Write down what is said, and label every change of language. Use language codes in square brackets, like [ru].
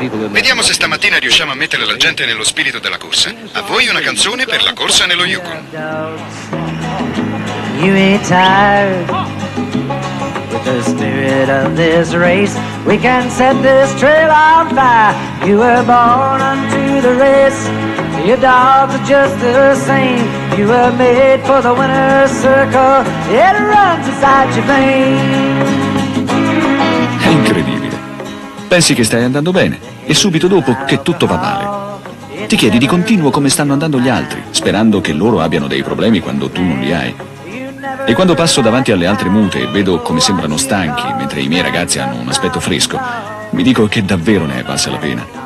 [it] Vediamo se stamattina riusciamo a mettere la gente nello spirito della corsa. A voi una canzone per la corsa nello Yukon. [en] You ain't tired with the spirit of this race. We can set this trail on fire. You were born unto the race. Your dogs are just the same. You were made for the winner's circle. It runs inside your veins. [it] Incredibile. Pensi che stai andando bene e subito dopo che tutto va male. Ti chiedi di continuo come stanno andando gli altri, sperando che loro abbiano dei problemi quando tu non li hai. E quando passo davanti alle altre mute e vedo come sembrano stanchi, mentre i miei ragazzi hanno un aspetto fresco, mi dico che davvero ne è valsa la pena.